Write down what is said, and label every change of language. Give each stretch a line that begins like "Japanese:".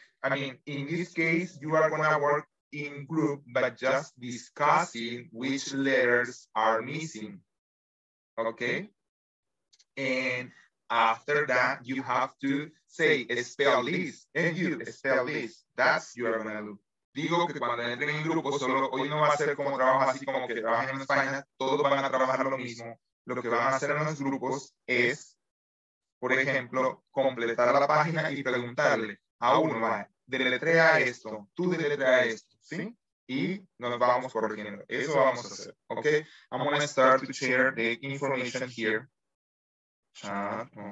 English: In this case, you are gonna work in group, but just discussing which letters are missing. Okay, and after that, you have to say, spell this, and you spell this. That's your value.
Spanish: Digo que cuando entren en grupo, solo hoy no va a ser como trabajo así como que trabajan en España, todos van a trabajar lo mismo. Lo que van a hacer en los grupos es, por ejemplo, completar la página y preguntarle a uno, deletrea esto, tú deletrea esto, ¿sí? Y nos vamos corrigiendo. Eso vamos a hacer. Okay.
English: I'm going to start to share the information here. Chat.